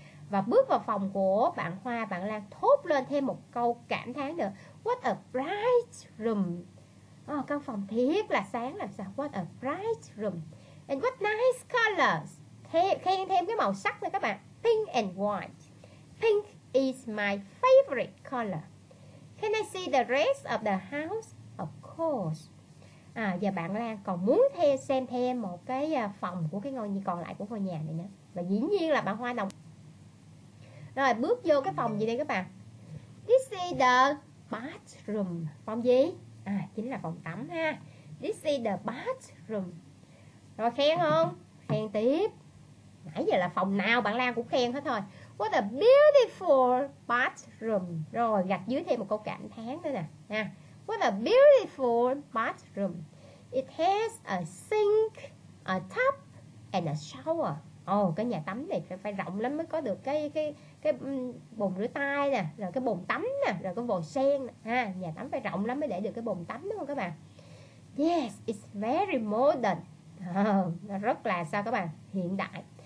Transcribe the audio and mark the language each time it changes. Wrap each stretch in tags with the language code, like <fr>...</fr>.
<vi>Và bước vào phòng của bạn Hoa, bạn Lan thốt lên thêm một câu cảm thán nữa.</vi> <en>What a bright room.</en> <vi>Oh, căn phòng thiệt là sáng làm sao.</vi> <en>What a bright room. And what nice colors.</en> <vi>Khen thêm cái màu sắc nữa các bạn.</vi> <en>Pink and white. Pink is my favorite color. Can I see the rest of the house? Of course.</en> <vi>À, giờ bạn Lan còn muốn xem thêm một cái phòng của cái ngôi nhà còn lại của ngôi nhà này nữa. Và dĩ nhiên là bạn Hoa đồng. Rồi, bước vô cái phòng gì đây các bạn?</vi> <en>This is the bathroom.</en> <vi>Phòng gì? À, chính là phòng tắm ha.</vi> <en>This is the bathroom.</en> <vi>Rồi, khen không? Khen tiếp. Nãy giờ là phòng nào bạn Lan cũng khen hết thôi.</vi> <en>What a beautiful bathroom.</en> <vi>Rồi gạch dưới thêm một câu cảm thán nữa nè.</vi> <en>What a beautiful bathroom. It has a sink, a tub, and a shower.</en> <vi>Oh, cái nhà tắm này phải rộng lắm mới có được cái bồn rửa tay nè, rồi cái bồn tắm nè, rồi cái vòi sen nè. Ha, nhà tắm phải rộng lắm mới để được cái bồn tắm đúng không các bạn?</vi> <en>Yes, it's very modern.</en> <vi>Nó rất là sao các bạn? Hiện đại.</vi>